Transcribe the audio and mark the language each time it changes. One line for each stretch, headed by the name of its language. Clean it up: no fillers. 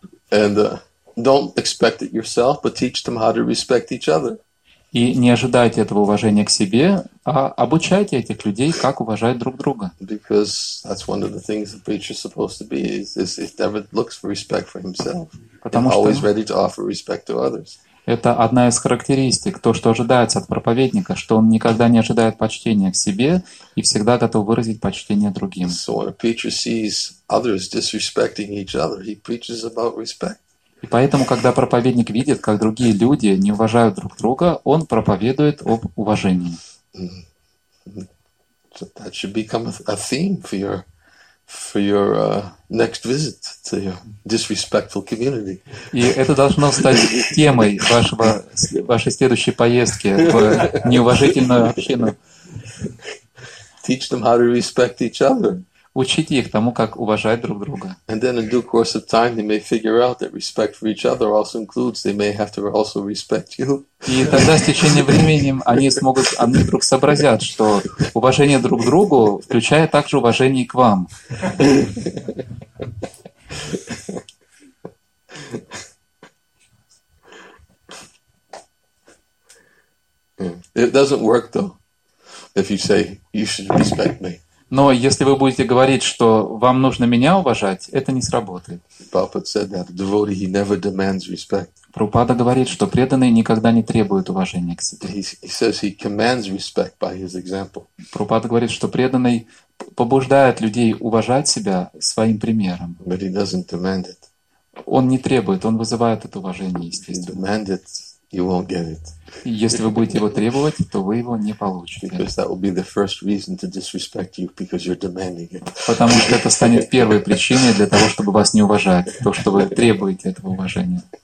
English: And don't expect it yourself, but teach them how to respect each other.
Russian: И не ожидайте этого уважения к себе, а обучайте этих людей, как уважать друг друга.
English: Because that's one of the things the preacher is supposed to be, is he never looks for respect for himself.
Russian: Потому что
English: always ready to offer respect to others.
Russian: Это одна из характеристик, то, что ожидается от проповедника, что он никогда не ожидает почтения к себе и всегда готов выразить почтение другим.
English: So when a preacher sees others disrespecting each other, he preaches about respect.
Russian: И поэтому, когда проповедник видит, как другие люди не уважают друг друга, он проповедует об уважении.
English: So that should become a theme for your next visit to your disrespectful community.
Russian: И это должно стать темой вашей следующей поездки в неуважительную общину.
English: Teach them how to respect each other.
Russian: Учите их тому, как уважать друг друга.
English: And then in due course of time, they may figure out that respect for each other also includes they may have to also respect you.
Russian: И тогда с течением времени они вдруг сообразят, что уважение друг к другу включает также уважение к вам.
English: It doesn't work though, if you say you should respect me.
Russian: Но если вы будете говорить, что вам нужно меня уважать, это не сработает.
English: Prabhupada said that a devotee, he never demands respect.
Russian: Прабхупада говорит, что преданный никогда не требует уважения к себе.
English: He says he commands respect by his example.
Russian: Прабхупада говорит, что преданный побуждает людей уважать себя своим примером.
English: But he doesn't demand it.
Russian: Он не требует, он вызывает это уважение, естественно.
English: You won't get it.
Russian: Если вы будете его требовать, то вы его не получите.
English: Because that will be the first reason to disrespect you, because you're demanding it.
Russian: Потому что это станет первой причиной для того, чтобы вас не уважать, то, что вы требуете этого уважения.